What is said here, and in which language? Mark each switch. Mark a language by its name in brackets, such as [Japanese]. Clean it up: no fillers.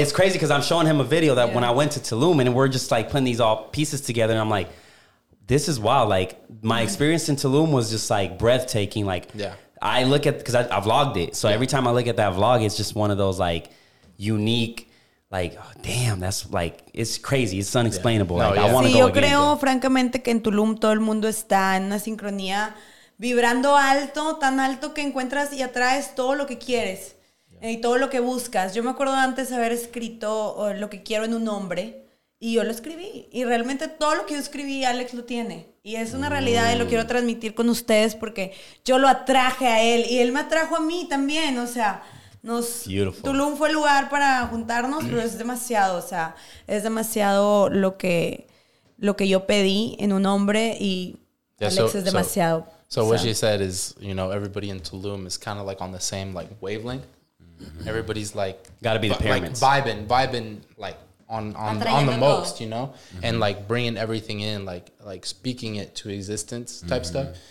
[English] It's crazy because I'm showing him a video that when I went to Tulum, and we're just like putting these all pieces together, and I'm like, this is wild. Like, my experience in Tulum was just like breathtaking. Like, I look at, because I vlogged it. So every time I look at that vlog, it's just one of those like unique, like, oh, damn, that's like, it's crazy. It's unexplainable. Yeah. I want to go again. [Spanish] Yo creo, francamente, que en Tulum todo el mundo está en una sincronía vibrando alto, tan alto que encuentras y atraes todo lo que quieres y todo lo que buscas. Yo me acuerdo antes haber escrito lo que quiero en un hombre. Y yo lo escribí. Y realmente todo lo que yo escribí, Alex lo tiene. Y es una realidad y lo quiero transmitir con ustedes porque yo lo atraje a él. Y él me atrajo a mí también. O sea, Tulum fue el lugar para juntarnos, pero es demasiado. O sea, es demasiado lo que yo pedí en un hombre. Y Alex es demasiado. [English] So what she said is, you know, everybody in Tulum is kind of like on the same like wavelength. Mm-hmm. Everybody's like... Gotta be the pyramids. Like vibing like... On the most, you know, and like bringing everything in, like speaking it to existence type stuff.